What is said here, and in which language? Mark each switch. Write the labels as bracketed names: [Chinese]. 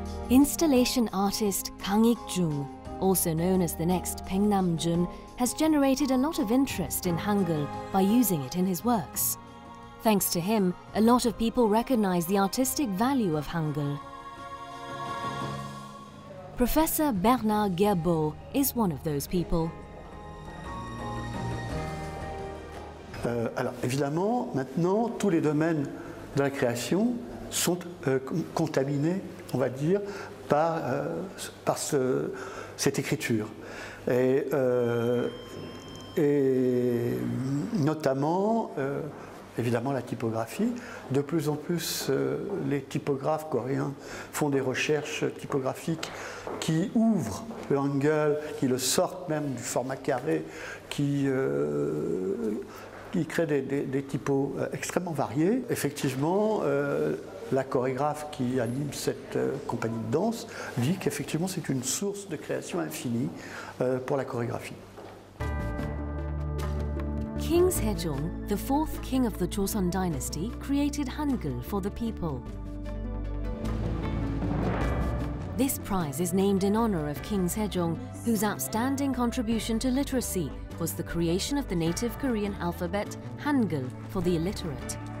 [English] Installation artist Kang Ik-jun, also known as the next Peng Nam-jun, has generated a lot of interest in Hangul by using it in his works. Thanks to him, a lot of people recognize the artistic value of Hangul. Professor Bernard Gerbeau is one of those people. [French] Alors évidemment, maintenant, tous les domaines de la création sont contaminés, on va dire, par par ce cette écriture. Et notamment, évidemment, la typographie. De plus en plus, les typographes coréens font des recherches typographiques qui ouvrent le Hangul, qui le sortent même du format carré, qui créent des typos extrêmement variés. Effectivement, la chorégraphe qui anime cette compagnie de danse dit qu'effectivement, c'est une source de création infinie pour la chorégraphie. [English] King Sejong, the fourth king of the Joseon dynasty, created Hangul for the people. This prize is named in honor of King Sejong, whose outstanding contribution to literacy was the creation of the native Korean alphabet Hangul for the illiterate.